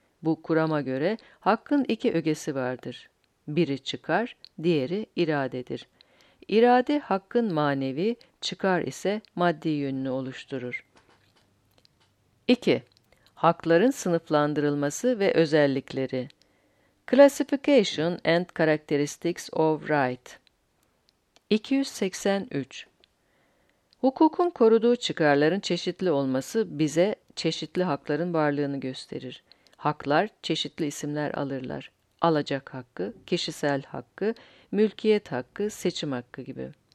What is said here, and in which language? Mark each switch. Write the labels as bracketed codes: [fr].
[tr] Bu kurama göre hakkın iki ögesi vardır. Biri çıkar, diğeri iradedir. İrade hakkın manevi, çıkar ise maddi yönünü oluşturur. 2. Hakların sınıflandırılması ve özellikleri. [en] Classification and Characteristics of Right. [tr] 283. Hukukun koruduğu çıkarların çeşitli olması bize çeşitli hakların varlığını gösterir. Haklar çeşitli isimler alırlar. Alacak hakkı, kişisel hakkı, mülkiyet hakkı, seçim hakkı gibi.